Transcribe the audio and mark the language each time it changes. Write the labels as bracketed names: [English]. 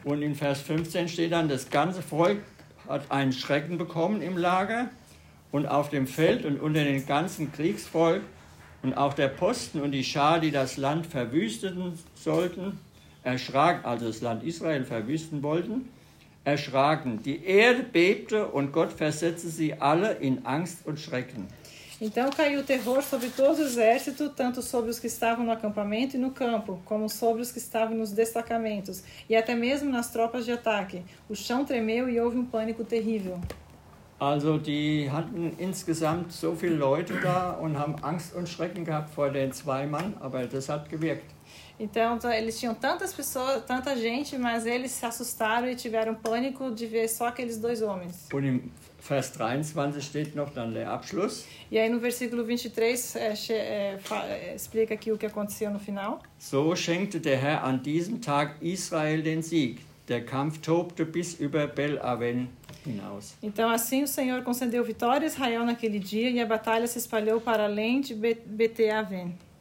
[German] Und in Vers 15 steht dann, das ganze Volk hat einen Schrecken bekommen im Lager. Und auf dem Feld und unter dem ganzen Kriegsvolk und auch der Posten und die Schar, die das Land verwüsteten sollten, erschrak, also das Land Israel verwüsten wollten, erschraken. Die Erde bebte und Gott versetzte sie alle in Angst und Schrecken. [Portuguese] Então caiu terror sobre todo o exército, tanto sobre os que estavam no acampamento e no campo, como sobre os que estavam nos destacamentos, e até mesmo nas tropas de ataque. O chão tremeu e houve um pânico terrível. [German] Also die hatten insgesamt so viele Leute da und haben Angst und Schrecken gehabt vor den zwei Mann, aber das hat gewirkt. [Portuguese] Então, eles tinham tantas pessoas, tanta gente, mas eles se assustaram e tiveram pânico de ver só aqueles dois homens. [German] Und im Vers 23 steht noch dann der Abschluss. [Portuguese] E aí no versículo 23 explica aqui o que aconteceu no final. [German] So schenkte der Herr an diesem Tag Israel den Sieg. Der Kampf tobte bis über Bel Aven hinaus. [Portuguese] Então assim o Senhor concedeu vitória a Israel naquele dia e a batalha se espalhou para além de Bet-Aven.